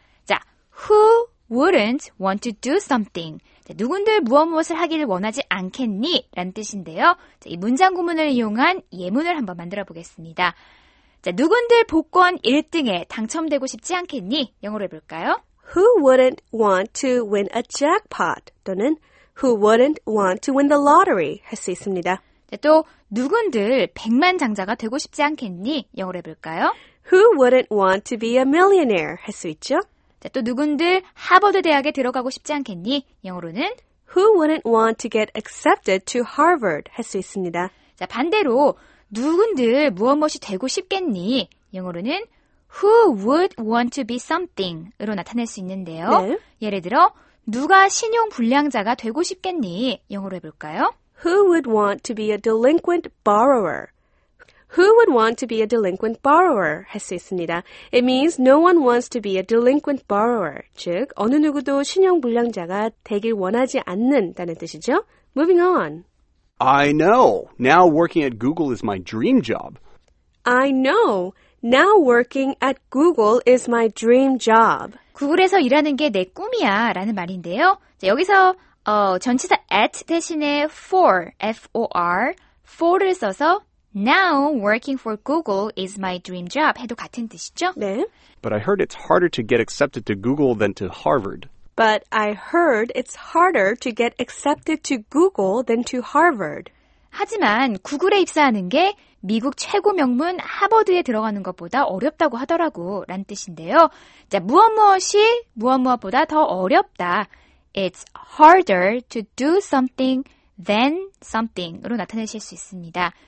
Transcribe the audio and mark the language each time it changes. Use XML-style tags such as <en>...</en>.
<ko>자,</ko> <en>who wouldn't want to do something?</en> <ko>누군들 무엇무엇을 하기를 원하지 않겠니? 라는 뜻인데요. 자, 이 문장 구문을 이용한 예문을 한번 만들어 보겠습니다. 자, 누군들 복권 1등에 당첨되고 싶지 않겠니? 영어로 해볼까요?</ko> <en>Who wouldn't want to win a jackpot?</en> <ko>또는</ko> <en>Who wouldn't want to win the lottery?</en> <ko>할 수 있습니다. 자, 또 누군들 백만 장자가 되고 싶지 않겠니? 영어로 해볼까요?</ko> <en>Who wouldn't want to be a millionaire?</en> <ko>할 수 있죠. 자, 또 누군들 하버드 대학에 들어가고 싶지 않겠니? 영어로는</ko> <en>Who wouldn't want to get accepted to Harvard?</en> <ko>할 수 있습니다. 자, 반대로 누군들 무엇무엇이 되고 싶겠니? 영어로는</ko> <en>Who would want to be something?</en> <ko>으로 나타낼 수 있는데요. 네. 예를 들어 누가 신용불량자가 되고 싶겠니? 영어로 해볼까요?</ko> <en>Who would want to be a delinquent borrower? Who would want to be a delinquent borrower?</en> <ko>할 수 있습니다.</ko> <en>It means no one wants to be a delinquent borrower.</en> <ko>즉, 어느 누구도 신용불량자가 되길 원하지 않는다는 뜻이죠.</ko> <en>Moving on. I know. Now working at Google is my dream job. I know. Now working at Google is my dream job.</en> <ko>구글에서 일하는 게 내 꿈이야 라는 말인데요. 자, 여기서 전치사 at 대신에 for, F-O-R, for를 써서</ko> <en>Now, working for Google is my dream job</en> <ko>해도 같은 뜻이죠? 네.</ko> <en>But I heard it's harder to get accepted to Google than to Harvard. But I heard it's harder to get accepted to Google than to Harvard.</en> <ko>하지만 구글에 입사하는 게 미국 최고 명문 하버드에 들어가는 것보다 어렵다고 하더라고 라는 뜻인데요. 자, 무엇무엇이 무엇무엇보다 더 어렵다.</ko> <en>It's harder to do something than something</en> <ko>으로 나타내실 수 있습니다.</ko>